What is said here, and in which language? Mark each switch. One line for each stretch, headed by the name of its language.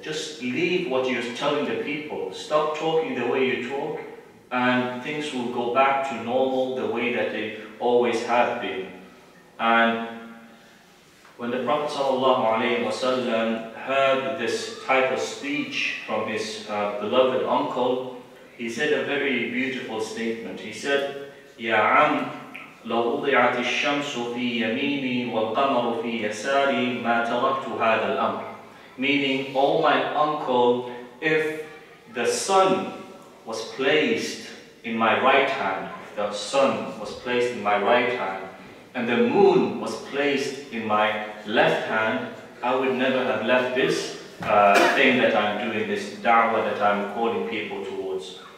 English: Just leave what you're telling the people. Stop talking the way you talk, and things will go back to normal the way that they always have been. And when the Prophet sallallahu alaihi wasallam heard this type of speech from his beloved uncle, he said a very beautiful statement. He said,
Arabic: "Ya am, لو وضعت الشمس في يميني والقمر في يساري ما تركت هذا الأمر."
English: Meaning, "Oh my uncle, if the sun was placed in my right hand, if the sun was placed in my right hand, and the moon was placed in my left hand, I would never have left this thing that I'm doing, this da'wah that I'm calling people towards."